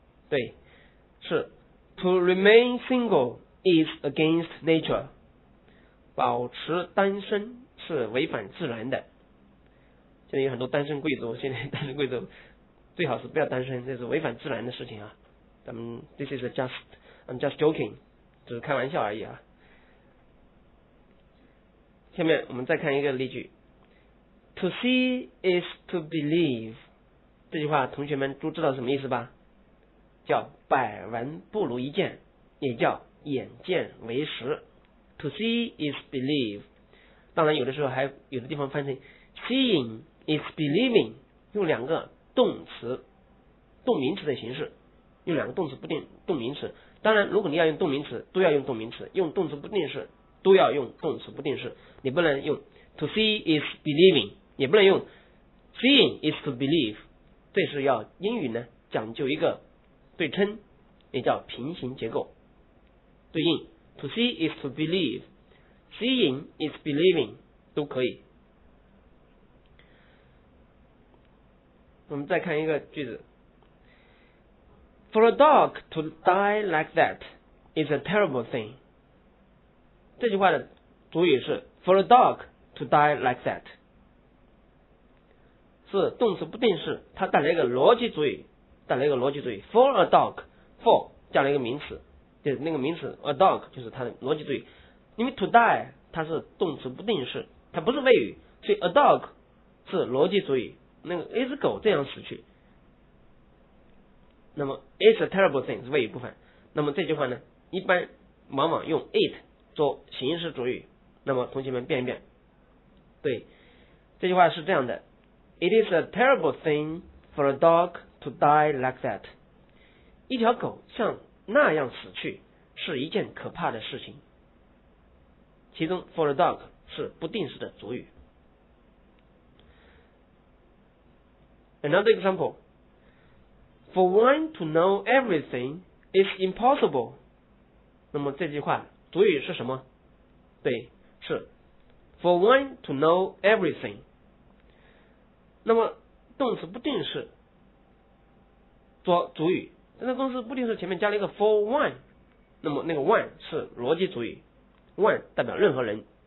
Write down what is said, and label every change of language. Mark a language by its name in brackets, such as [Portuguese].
[Chinese] 对，是 [English] To remain single is against nature， [Chinese] 保持单身是违反自然的。现在有很多单身贵族，现在单身贵族最好是不要单身，这是违反自然的事情啊。咱们 [English] this is just I'm just joking， [Chinese] 只是开玩笑而已啊。下面我们再看一个例句， [English] To see is to believe， [Chinese] 这句话同学们都知道什么意思吧，叫百闻不如一见，也叫眼见为实。 [English] To see is believe， [Chinese] 当然有的时候还有的地方翻成 [English] seeing is believing， [Chinese] 用两个动词动名词的形式，用两个动词不定动名词。当然如果你要用动名词都要用动名词，用动词不定式都要用动词不定式，你不能用 [English] to see is believing， [Chinese] 也不能用 [English] seeing is to believe， [Chinese] 这是要英语呢讲究一个对称，也叫平行结构。对应 [English] To see is to believe， Seeing is believing [Chinese] 都可以。我们再看一个句子， [English] For a dog to die like that is a terrible thing， [Chinese] 这句话的主语是 For a dog to die like that， 是动词不定式，它带来一个逻辑主语，带来一个逻辑主语 ，for a dog，for 加了一个名词，就是那个名词 a dog 就是它的逻辑主语。因为 to die 它是动词不定式，它不是谓语，所以 a dog 是逻辑主语。那个 is 狗这样死去，那么 [English] it's a terrible thing [Chinese] 是谓语部分。那么这句话呢，一般往往用 it 做形式主语。那么同学们变一变，对，这句话是这样的 ， [English] it is a terrible thing for a dog。 To die like that， [Chinese] 一条狗像那样死去是一件可怕的事情。其中 for a dog 是不定式的主语。 [English] Another example， For one to know everything is impossible， [Chinese] 那么这句话主语是什么？对，是 For one to know everything， 那么动词不定式做主语，但是动词不定式前面加了一个 for one， 那么那个 one 是逻辑主语， one 代表任何人，